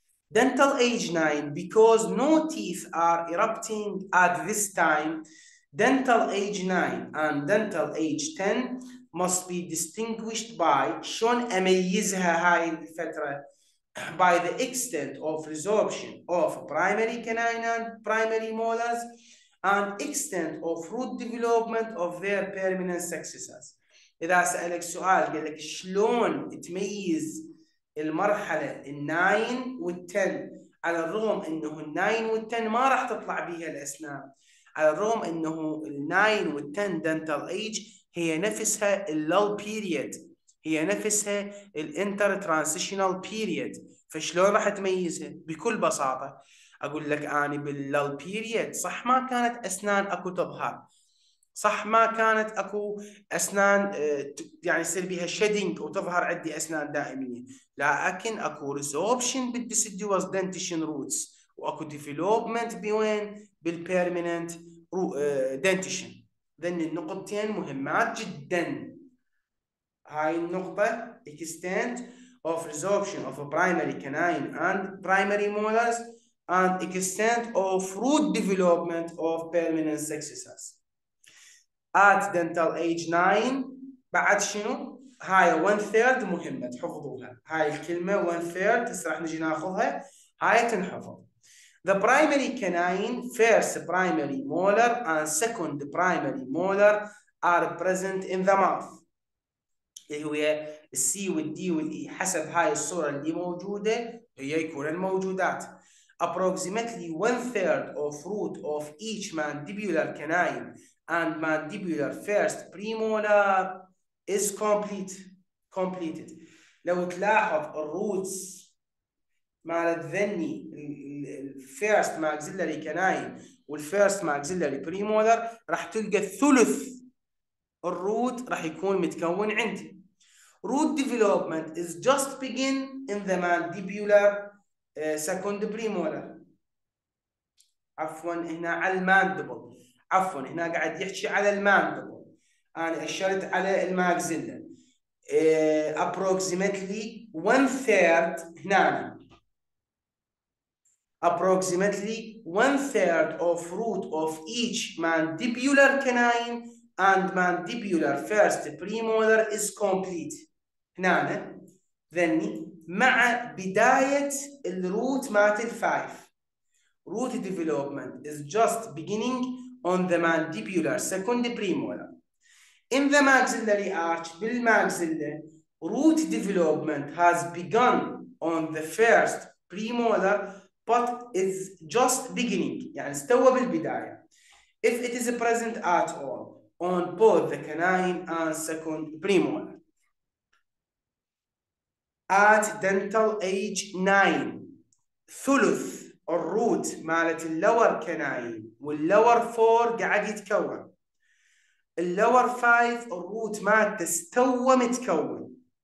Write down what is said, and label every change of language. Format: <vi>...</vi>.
<en>dental age 9 because no teeth are erupting at this time, dental age 9 and dental age 10 must be distinguished by</en> <ar>شلون اميزها هاي الفتره؟</ar> <en>by the extent of resorption of primary canine and primary molars and extent of root development of their permanent successors.</en> <ar>إذا سألك سؤال قال لك شلون تميز المرحلة الناين والتن على الرغم أنه الناين والتن ما راح تطلع بها الأسنان، على الرغم أنه الناين والتن dental age هي نفسها اللول بيريد، هي نفسها الانتر ترانزيشنال بيريد، فشلون راح تميزها؟ بكل بساطه اقول لك اني باللل بيريد صح ما كانت اسنان اكو تظهر، صح ما كانت اكو اسنان يعني يصير بها شيدنج وتظهر عندي اسنان دائميه، لكن اكو ريزوربشن بالديسيديوس دنتيشن روتس واكو ديفلوبمنت بوين بالبيرمننت دنتيشن. ذن النقطتين مهمات جدا، هاي النقطة</ar> <en>extent of resorption of a primary canine and primary molars and extent of root development of permanent successors at dental age 9.</en> <ar>بعد شنو؟ هاي one third مهمة تحفظوها، هاي الكلمة one third راح نجي ناخذها، هاي تنحفظ.</ar> <en>The primary canine first primary molar and second primary molar are present in the mouth.</en> <ar>اللي هو السي والدي والاي حسب هاي الصوره اللي موجوده هي يكون الموجودات.</ar> <en>Approximately one third of root of each mandibular canine and mandibular first premolar is completed.</en> <ar>لو تلاحظ الروتس مال الذني الفيرست ماكسيلاري كناين والفيرست ماكسيلاري بريمولر راح تلقى ثلث الروت راح يكون متكون عندي.</ar> <en>Root development is just begin in the mandibular second premolar.</en> <ar>عفوا هنا على الماندبل، عفوا هنا قاعد يحكي على الماندبل، انا اشرت على الماكزيلا.</ar> <en>Approximately one third هنا approximately one third of root of each mandibular canine and mandibular first premolar is complete.</en> <ar>هنا ذني مع بداية الروت مات الفايف.</ar> <en>Root development is just beginning on the mandibular second premolar. In the maxillary arch بالماكسيلا root development has begun on the first premolar but is just beginning</en> <ar>يعني استوى بالبداية.</ar> <en>If it is present at all on both the canine and second premolar. At dental age 9</en> <ar>ثلث الروت مالت اللور كناين واللور 4 قاعد يتكون، اللور 5 الروت مالت استوى متكون،</ar>